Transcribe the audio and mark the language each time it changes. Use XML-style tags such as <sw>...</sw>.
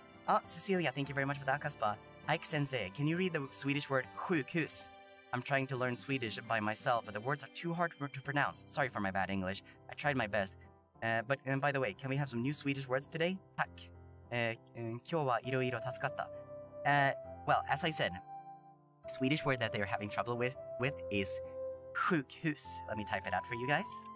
<en>Oh, Cecilia, thank you very much for the akaspa. Ike-sensei, can you read the Swedish word sjukhus? I'm trying to learn Swedish by myself, but the words are too hard to pronounce. Sorry for my bad English. I tried my best. But by the way, can we have some new Swedish words today?</en> <sv>Tack.</sv> <ja>今日はいろいろ助かった。</ja> <en>Well, as I said, the Swedish word that they're having trouble with is sjukhus. Let me type it out for you guys.</en>